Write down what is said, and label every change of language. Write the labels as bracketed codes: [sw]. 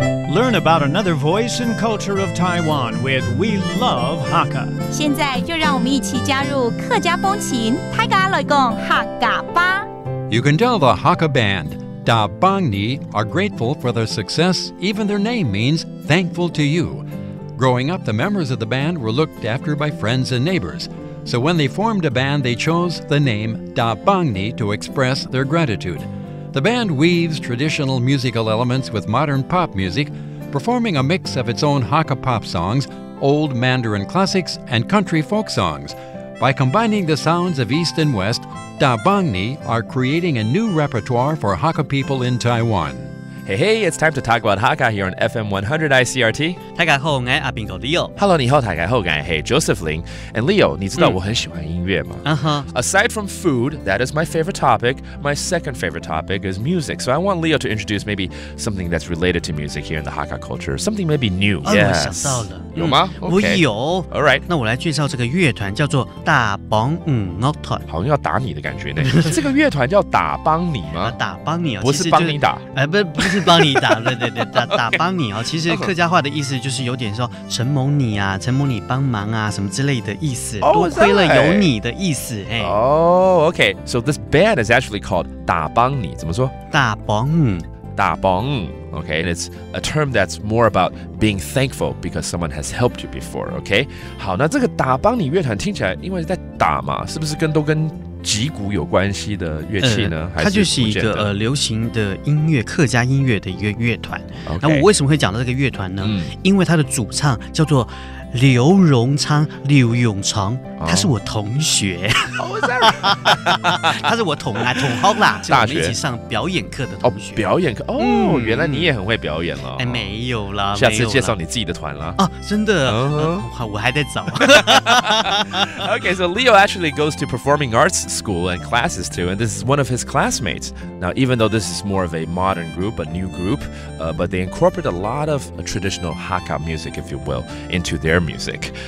[en] Learn about another voice and culture of Taiwan with We Love Hakka. [zh] 现在就让我们一起加入客家风情，泰嘎来讲客家吧。 [en] You can tell the Hakka band, Da Bang Ni, are grateful for their success. Even their name means thankful to you. Growing up, the members of the band were looked after by friends and neighbors. So when they formed a band, they chose the name Da Bang Ni to express their gratitude. The band weaves traditional musical elements with modern pop music, performing a mix of its own Hakka pop songs, old Mandarin classics, and country folk songs. By combining the sounds of East and West, Da Bang Ni are creating a new repertoire for Hakka people in Taiwan. Hey, it's time to talk about Hakka here on FM 100 ICRT. [zh] 大家好，我是阿宾哥 Leo. [en] Hello, [zh] 你好，大家好，我是 Joseph Lin. [en] And Leo, [zh] 你知道我很喜欢音乐吗？ [en] Aside from food, that is my favorite topic. My second favorite topic is music. So I want Leo to introduce maybe something that's related to music here in the Hakka culture. Something maybe new. Yes. [zh] 我想到了。有吗？我有。 [en] All right. [zh] 那我来介绍这个乐团叫做大邦乐团。好像要打你的感觉呢。这个乐团叫打邦你吗？打邦你，不是帮你打。是帮你打，对对对，打帮你哦。其实客家话的意思就是有点说承蒙你啊，承蒙你帮忙啊，什么之类的意思，多亏了有你的意思。 [en] 哦、OK, so this band is actually called 打帮你， [zh] 怎么说？打帮。 [en] Da bong, okay, and it's a term that's more about being thankful because someone has helped you before, okay? [zh] 好，那这个打帮你乐团听起来，因为在打嘛，是不是跟都跟击鼓有关系的乐器呢？它就是一个流行的音乐，客家音乐的一个乐团。 [en] Okay. [zh] 那我为什么会讲到这个乐团呢？因为它的主唱叫做刘荣昌，刘永昌，他是我同学。他是我同啊同好啦，就我们一起上表演课的同学。哦，表演课哦，原来你也很会表演了。哎，没有啦，下次介绍你自己的团啦。啊，真的，我还在找。 [en] Okay, so Leo actually goes to performing arts school and classes too, and this is one of his classmates. Now, even though this is more of a modern group, a new group, but they incorporate a lot of traditional Hakka music, if you will, into their music.